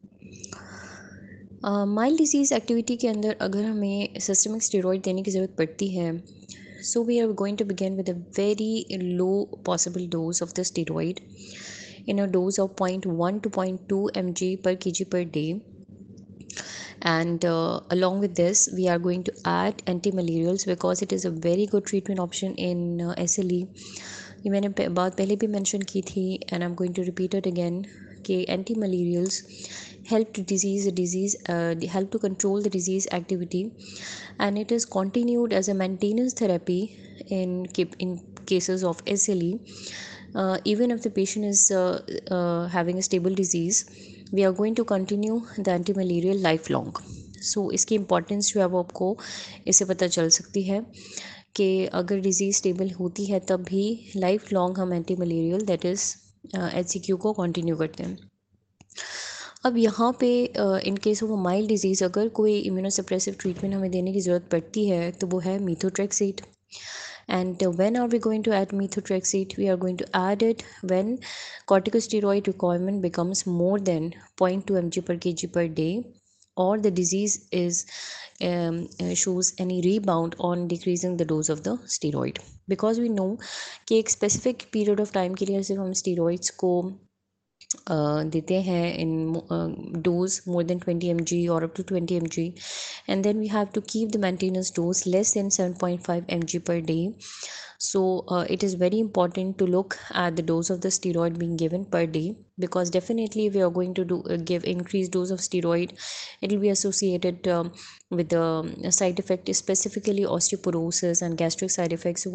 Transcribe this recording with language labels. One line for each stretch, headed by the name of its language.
Hindi: Mild disease activity के अंदर अगर हमें सिस्टमिक स्टेरॉइड देने की ज़रूरत पड़ती है,
English: So we are going to begin with a very low possible dose of the steroid in a dose of 0.1 to 0.2 mg पर kg per day. And along with this, we are going to add anti-malarials because it is a very good treatment option in SLE.
Hindi: ये मैंने बात पहले भी mention की थी
English: and I'm going to repeat it again कि anti-malarials help to help to control the disease activity and it is continued as a maintenance therapy in cases of SLE. Even if the patient is having a stable disease, we are going to continue the antimalarial lifelong.
Hindi: So, इसकी importance जो है वो आपको इससे पता चल सकती है कि अगर डिजीज़ स्टेबल होती है तब भी लाइफ लॉन्ग हम एंटीमलेरियल
English: that is
Hindi: HCQ को कंटिन्यू करते हैं. अब यहाँ पे इनकेस ऑफ माइल्ड डिजीज़ अगर कोई इम्यूनोसप्रेसिव ट्रीटमेंट हमें देने की ज़रूरत पड़ती है तो वो है मीथोट्रेक्सेट.
English: And when are we going to add methotrexate? We are going to add it when corticosteroid requirement becomes more than 0.2 mg per kg per day or the disease is shows any rebound on decreasing the dose of the steroid. Because we know
Hindi: कि एक specific period of time के लिए सिर्फ हम steroids को देते हैं
English: In dose more than 20 mg और up to 20 mg and then we have to keep the maintenance dose less than 7.5 mg per day. So it is very important to look at the dose of the steroid being given per day because definitely we are going to do give increase dose of steroid it will be associated with side effect specifically osteoporosis and gastric side effects.